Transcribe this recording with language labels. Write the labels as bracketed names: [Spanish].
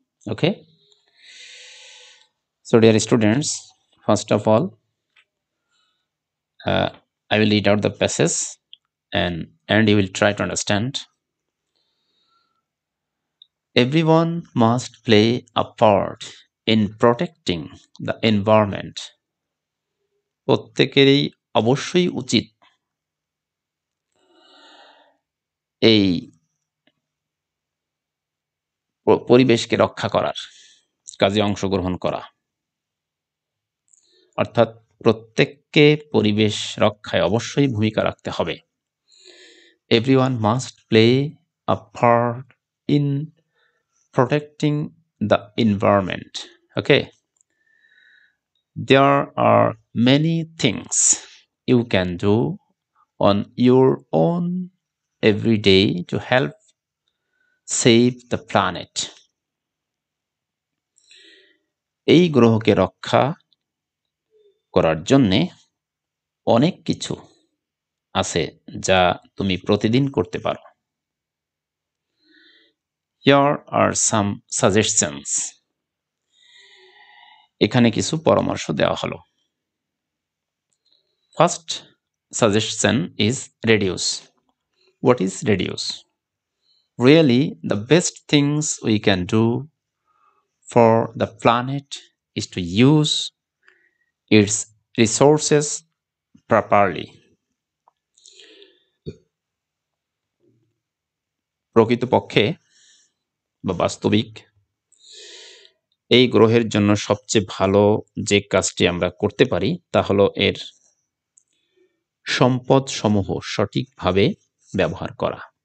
[English] Okay, so dear students, first of all, I will read out the passage and you will try to understand. Everyone must play a part in protecting the environment. [Bangla] Prottekerei obosshoi uchit ei পরিবেশকে রক্ষা করার কাজে অংশগ্রহণ করা অর্থাৎ প্রত্যেককে পরিবেশ রক্ষায় অবশ্যই ভূমিকা রাখতে হবে [English] Everyone must play a part in protecting the environment okay there are many things you can do on your own every day to help save the planet. [Bangla] এই গ্রহকে রক্ষা করার জন্য অনেক কিছু আছে যা তুমি প্রতিদিন করতে পারো. [English] Here are some suggestions. [Bangla] এখানে কিছু পরামর্শ দেওয়া হলো. [English] First suggestion is reduce. What is reduce? Really, the best things we can do for the planet is to use its resources properly. [Bangla] প্রকৃতপক্ষে বা বাস্তবিক এই গ্রহের জন্য সবচেয়ে ভালো যে কাজটি আমরা করতে পারি তা হলো এর সম্পদ সমূহ সঠিকভাবে ব্যবহার করা.